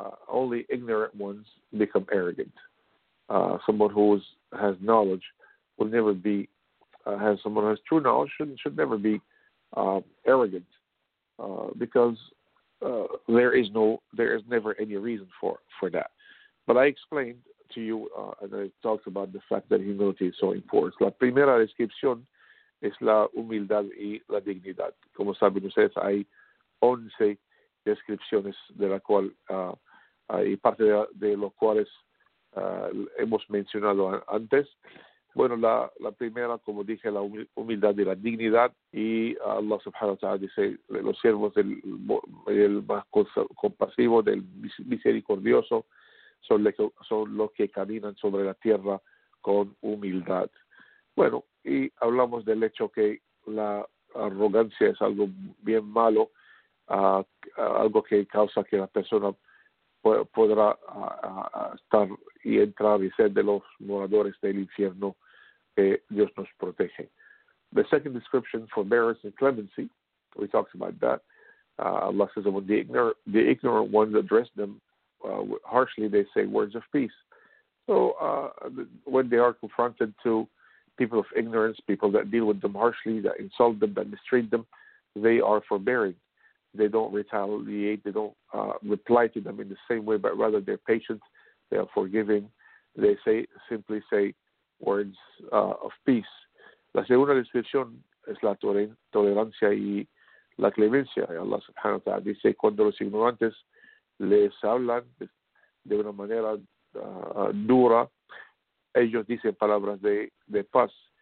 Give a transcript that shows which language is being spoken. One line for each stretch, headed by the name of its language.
English: Only ignorant ones become arrogant. Someone who has knowledge will never be, someone who has true knowledge should never be arrogant, because there is never any reason for that. But I explained to you, and I talked about the fact that humility is so important.
Spanish: La primera descripción es la humildad y la dignidad. Como saben ustedes, hay 11 descripciones de la cual y parte de los cuales hemos mencionado antes. Bueno, la primera, como dije, la humildad y la dignidad. Y Allah subhanahu wa ta'ala dice, los siervos del más compasivo, del misericordioso, son los que caminan sobre la tierra con humildad. Bueno, y hablamos del hecho que la arrogancia es algo bien malo, algo que causa que la persona podrá estar y entrar y ser de los moradores del infierno. Dios nos protege.
English: The second description for merits and clemency, we talked about that. Allah says, when the ignorant ones address them harshly, they say words of peace. So when they are confronted to people of ignorance, people that deal with them harshly, that insult them, that mistreat them, they are forbearing. They don't retaliate, they don't reply to them in the same way, but rather they're patient, they are forgiving. They simply say, words of peace.
Spanish: La segunda descripción es la tolerancia y la clemencia. Allah subhanahu wa ta'ala dice, cuando los ignorantes les hablan de una manera dura, ellos dicen palabras de paz.